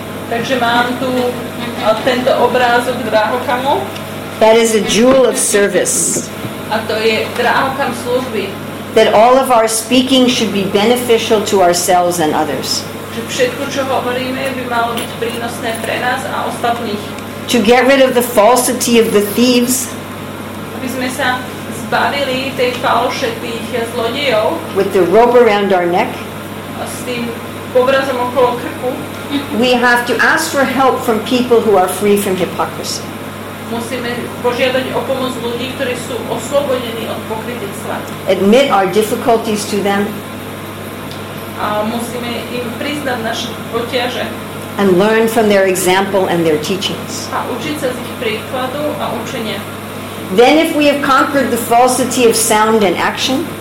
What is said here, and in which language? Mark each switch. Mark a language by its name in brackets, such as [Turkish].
[Slovak] Takže mám tu tento obrázok drahokamu. [English] That is a jewel of service. [Slovak] A to je drahokam služby. [English] That all of our speaking should be beneficial to ourselves and others. [Slovak] Že všetko, čo hovoríme, by malo byť prínosné pre nás a ostatných. [English] To get rid of the falsity of the thieves. [Slovak] Aby sme sa zbavili tej falše tých zlodejov. [English] With the rope around our neck. [Slovak] S tým obrazom okolo krku. [English] We have to ask for help from people who are free from hypocrisy. [Slovak] Musíme požiadať o pomoc ľudí, ktorí sú oslobodení od pokrytectva. [English] Admit our difficulties to them. [Slovak] A musíme im priznať naše potiaže. [English] And learn from their example and their teachings. [Slovak] A učiť sa z ich príkladu a učenia. [English] Then if we have conquered the falsity of sound and action,